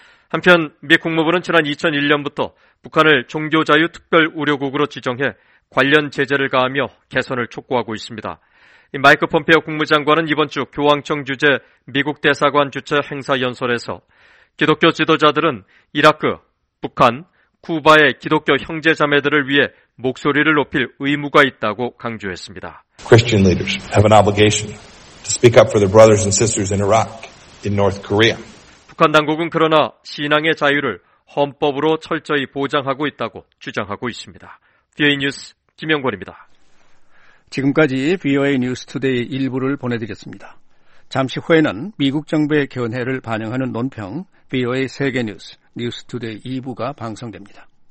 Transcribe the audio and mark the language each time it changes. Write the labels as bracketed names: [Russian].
[Korean] 한편 미 국무부는 지난 2001년부터 북한을 종교자유특별우려국으로 지정해 관련 제재를 가하며 개선을 촉구하고 있습니다. 마이크 폼페이오 국무장관은 이번 주 교황청 주재 미국 대사관 주최 행사 연설에서 기독교 지도자들은 이라크, 북한, 쿠바의 기독교 형제 자매들을 위해 목소리를 높일 의무가 있다고 강조했습니다. [English] Christian leaders have an obligation to speak up for their brothers and sisters in Iraq, in North Korea. [Korean] 북한 당국은 그러나 신앙의 자유를 헌법으로 철저히 보장하고 있다고 주장하고 있습니다. VOA 뉴스 김영권입니다. 지금까지 VOA 뉴스 투데이 일부를 보내드렸습니다. 잠시 후에는 미국 정부의 견해를 반영하는 논평 VOA 세계 뉴스 뉴스 투데이 2부가 방송됩니다.